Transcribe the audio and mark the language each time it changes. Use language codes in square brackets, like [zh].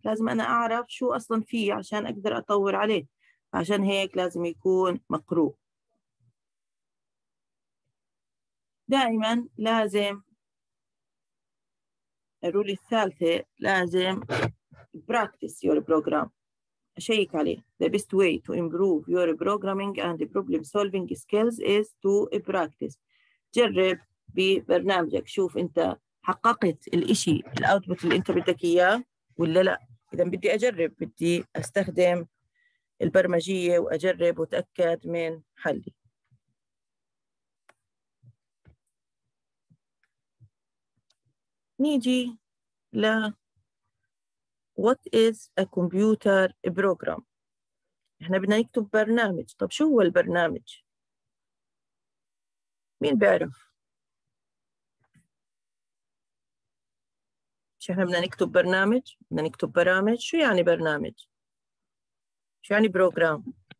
[ar] لازم أنا أعرف شو أصلا فيه عشان أقدر أطور عليه، عشان هيك لازم يكون مقروء. دائما لازم الرول الثالثة، لازم [en] practice your program، [ar] أشيك عليه. [en] The best way to improve your programming and problem solving skills is to practice. [ar] جرب ببرنامجك، شوف أنت حققت الإشي الأوتبوت اللي أنت بدك إياه ولا لا. إذا بدي أجرب، بدي أستخدم البرمجية وأجرب وتأكد من حلي. نيجي ل [en] what is a computer program. [ar] احنا بدنا نكتب برنامج، طب شو هو البرنامج؟ مين بيعرف؟ شو احنا بدنا نكتب برنامج؟ بدنا نكتب برامج. شو يعني برنامج؟ شو يعني program؟